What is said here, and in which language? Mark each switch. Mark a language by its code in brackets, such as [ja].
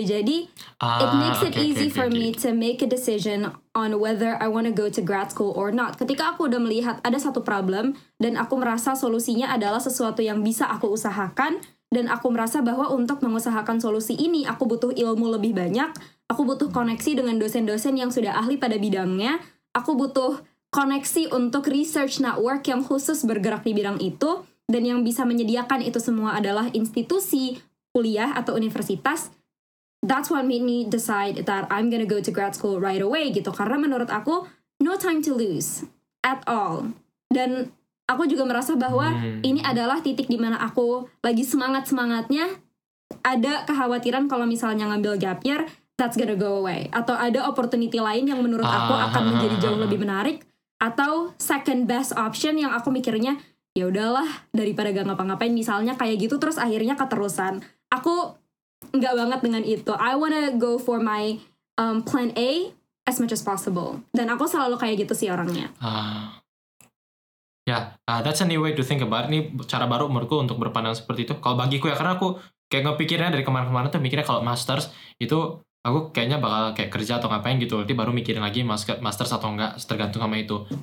[id] Jadi [en] it makes it easy for me to make a decision on whether I want to go to grad school or not. [id] Ketika aku udah melihat ada satu problem dan aku merasa solusinya adalah sesuatu yang bisa aku usahakan dan aku merasa bahwa untuk mengusahakan solusi ini aku butuh ilmu lebih banyak, aku butuh koneksi dengan dosen-dosen yang sudah ahli pada bidangnya, aku butuh koneksi untuk research network yang khusus bergerak di bidang itu dan yang bisa menyediakan itu semua adalah institusi kuliah atau universitas. [en] That's what made me decide that I'm gonna go to grad school right away [id] gitu. Karena menurut aku, [en] no time to lose at all. [id] Dan aku juga merasa bahwa ini adalah titik di mana aku lagi semangat-semangatnya. Ada kekhawatiran kalau misalnya ngambil [en] gap year, that's gonna go away. [id] Atau ada opportunity lain yang menurut aku akan menjadi jauh lebih menarik. Atau second best option yang aku mikirnya, ya udahlah daripada gak ngapa-ngapain misalnya kayak gitu terus akhirnya keterusan. Aku enggak banget dengan itu. [en] I wanna go for my plan A as much as possible. [id] Dan aku selalu kayak gitu sih orangnya. [en] That's a new way to think about it. [id] Ini cara baru menurutku untuk berpandang seperti itu. Kalau bagiku ya, karena aku kayak ngepikirnya dari kemarin-kemarin tuh mikirnya kalau masters itu aku kayaknya bakal kayak kerja atau ngapain gitu, nanti baru mikirin lagi master atau enggak, tergantung sama itu.